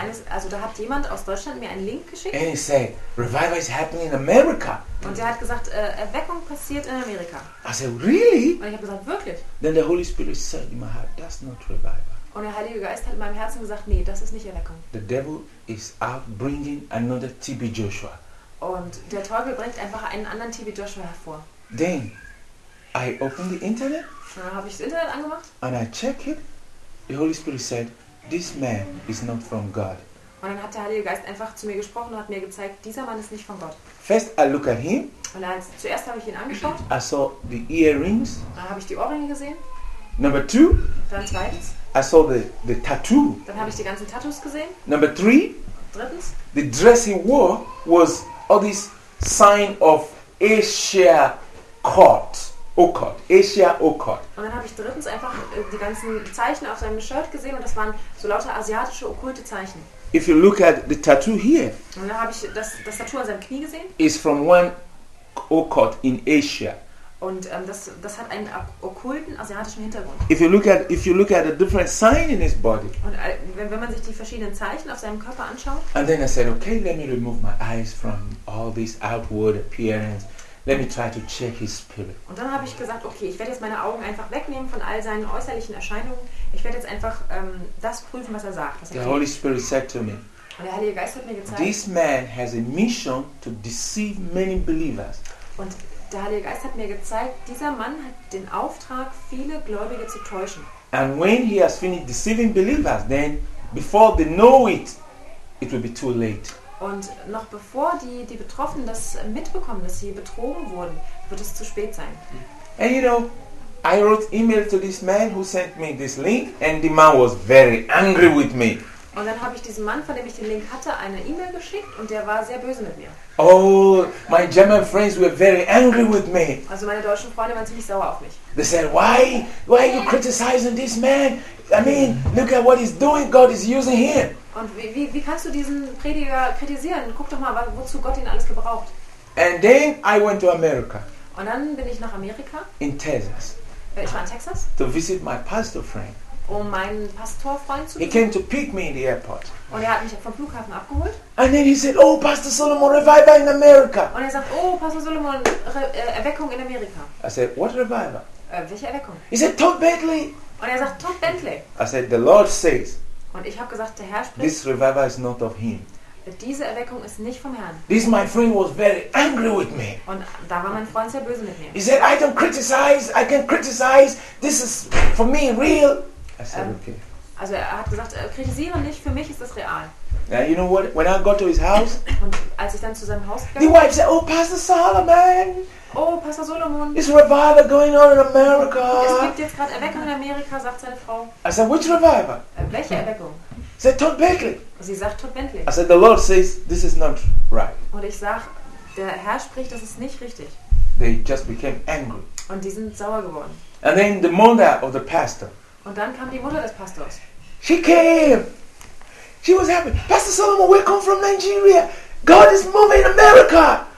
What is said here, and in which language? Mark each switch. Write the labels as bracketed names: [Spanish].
[German] Also da hat jemand aus Deutschland mir einen Link geschickt. [English] And he said, revival is happening in America. [German] Und er hat gesagt, Erweckung passiert in Amerika. [English] I said, really? [German] Und ich habe gesagt, wirklich? [English] Then the Holy Spirit said in my heart, that's not revival. [German] Und der Heilige Geist hat in meinem Herzen gesagt, nee, das ist nicht Erweckung. [English] The devil is out bringing another T.B. Joshua. [German] Und der Teufel bringt einfach einen anderen T.B. Joshua hervor. [English] Then I opened the internet. [German] Dann habe ich das Internet angemacht. [English] And I checked it. The Holy Spirit said, "This man is not from God." [German] Und dann hat der Heilige Geist einfach zu mir gesprochen und hat mir gezeigt, dieser Mann ist nicht von Gott. [English] First, I look at him. [German] Und dann, zuerst habe ich ihn angeschaut. [English] I saw the earrings. [German] Dann habe ich die Ohrringe gesehen. [English] Number two. [German] Dann zweitens. [English] I saw the tattoo. [German] Dann habe ich die ganzen Tattoos gesehen. [English] Number three. [German] Drittens. [English] The dress he wore was all this sign of Asia court. Occult, Asia Occult. [German] Und dann habe ich drittens einfach die ganzen Zeichen auf seinem Shirt gesehen und das waren so lauter asiatische okkulte Zeichen. [English] If you look at the tattoo here. [German] Und dann habe ich das Tattoo an seinem Knie gesehen. [English] Is from one occult in Asia. [German] Und das hat einen okkulten asiatischen Hintergrund. [English] If you look at the different sign in his body. [German] Und wenn man sich die verschiedenen Zeichen auf seinem Körper anschaut. [English] And then I said, okay, let me remove my eyes from all this outward appearance. Let me try to check his spirit. [German] Und dann habe ich gesagt, okay, ich werde jetzt meine Augen einfach wegnehmen von all seinen äußerlichen Erscheinungen. Ich werde jetzt einfach das prüfen, was er sagt. Was er [English] The kriegt. Holy Spirit said to me. [German] Und der Heilige Geist hat mir gezeigt. [English] This man has a mission to deceive many believers. [German] Und der Heilige Geist hat mir gezeigt, dieser Mann hat den Auftrag, viele Gläubige zu täuschen. [English] And when he has finished deceiving believers, then before they know it, it will be too late. [German] Und noch bevor die Betroffenen das mitbekommen, dass sie betrogen wurden, wird es zu spät sein. [English] And you know, I wrote email to this man who sent me this link, and the man was very angry with me. [German] Und dann habe ich diesem Mann, von dem ich den Link hatte, eine E-Mail geschickt und der war sehr böse mit mir. [English] Oh, my German friends were very angry with me. [German] Also meine deutschen Freunde waren ziemlich sauer auf mich. [English] They said, why are you criticizing this man? I mean, look at what he's doing, God is using him. [German] Und wie kannst du diesen Prediger kritisieren? Guck doch mal, wozu Gott ihn alles gebraucht. [English] And then I went to America. [German] Und dann bin ich nach Amerika. [English] In Texas. [German] Ich war in Texas. [English] To visit my pastor friend. [German] Um meinen Pastorfreund zu [English] He came to pick me in the airport. [German] Und er hat mich vom Flughafen abgeholt. [English] And then he said, "Oh, Pastor Solomon, revival in America." [German] Und er sagt, "Oh, Pastor Solomon, Erweckung in Amerika." [English] I said, "What revival?" [German] Welche Erweckung? [English] He said, "Todd Bentley." [German] Und er sagt, "Todd Bentley." [English] I said, "The Lord says." [German] Und ich habe gesagt, der Herr spricht. [English] This revival is not of him. [German] Diese Erweckung ist nicht vom Herrn. [English] This my friend was very angry with me. [German] Und da war mein Freund sehr böse mit mir. [English] He said, "I don't criticize. I can criticize. This is for me real." I said, okay. [German] Also er hat gesagt, kritisiere nicht, für mich ist das real. [English] Yeah, you know what? When I got to his house, [German] und als ich dann zu seinem Haus gegangen, [English] the wife said, "Oh, Pastor Solomon, [German] oh, Pastor Solomon, [English] is revival going on in America?" [German] Es gibt jetzt gerade Erweckung in Amerika, sagt seine Frau. [English] I said, "Which revival?" [German] Welche Erweckung? [English] She said, "Todd Bentley." [German] Sie sagt Todd Bentley. [English] I said, "The Lord says this is not right." [German] Und ich sag, der Herr spricht, das ist nicht richtig. [English] They just became angry. [German] Und die sind sauer geworden. [English] And then the mother of the pastor. [German] Und dann kam die Mutter des Pastors. [English] She came. She was happy. "Pastor Solomon, we come from Nigeria. God is moving in America."